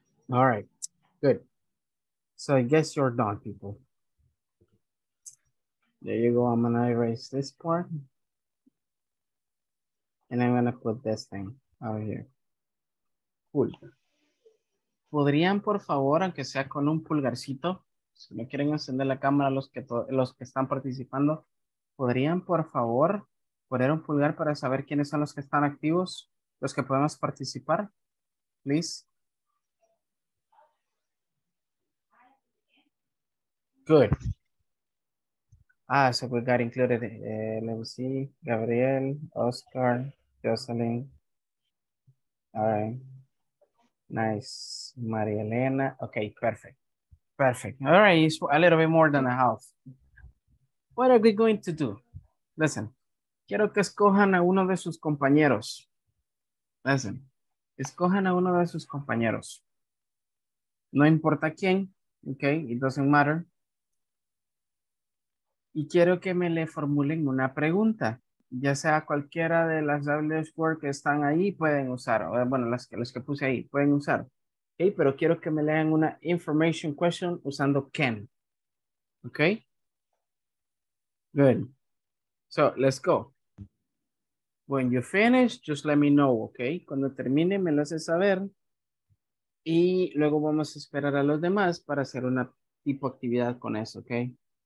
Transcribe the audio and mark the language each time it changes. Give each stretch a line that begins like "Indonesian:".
English: All right, good. So I guess you're done, people. There you go, I'm gonna erase this part. And I'm gonna put this thing out here. Cool.
Spanish: ¿Podrían, por favor, aunque sea con un pulgarcito, si me quieren encender la cámara los que están participando, ¿podrían, por favor, poner un pulgar para saber quiénes son los que están activos, los que podemos participar?
English: Please. Good. Ah, so we got included. Let me see. Gabriel, Oscar, Jocelyn. All right. Nice. Maria Elena. Okay, perfect. Perfect. All right. It's a little bit more than a half. What are we going to do?
Spanish: Listen, quiero que escojan a uno de sus compañeros. Listen, escojan a uno de sus compañeros. No importa quién, okay,
English: it doesn't matter.
Spanish: Y quiero que me le formulen una pregunta. Ya sea cualquiera de las WH4 que están ahí pueden usar, o bueno, las que puse ahí pueden usar. Okay, pero quiero que me lean una information question usando can.
English: Okay? Good. So, let's go. When you finish, just let me know, okay?
Spanish: Cuando termine, me lo hace saber. Y luego vamos a esperar a los demás para hacer una tipo actividad con eso, okay?